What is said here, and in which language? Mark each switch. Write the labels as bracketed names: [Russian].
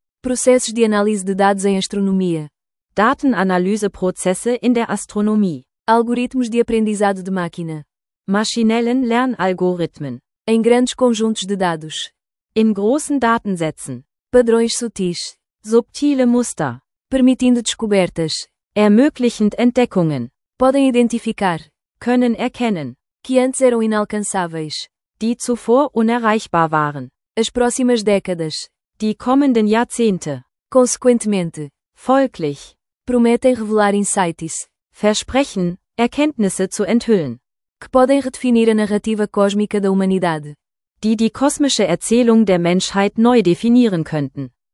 [Portuguese] Processos de análise de dados em astronomia. [German] Datenanalyseprozesse in der Astronomie. [Portuguese] Algoritmos de aprendizado de máquina. [German] Maschinellen Lernalgorithmen. [Portuguese] Em grandes conjuntos de dados. [German] In großen Datensätzen. [Portuguese] Padrões sutis. [German] Subtile Muster. [Portuguese] Permitindo descobertas. [German] Ermöglichend Entdeckungen. [Portuguese] Podem identificar. [German] Können erkennen. [Portuguese] Que antes eram inalcançáveis. [German] Die zuvor unerreichbar waren. [Portuguese] As próximas décadas. [German] Die kommenden Jahrzehnte. [Portuguese] Consequentemente. [German] Folglich. [Portuguese] Prometem revelar insights. [German] Versprechen, Erkenntnisse zu enthüllen. [Portuguese] Que podem redefinir a narrativa cósmica da humanidade. [German] Die die kosmische Erzählung der Menschheit neu definieren könnten.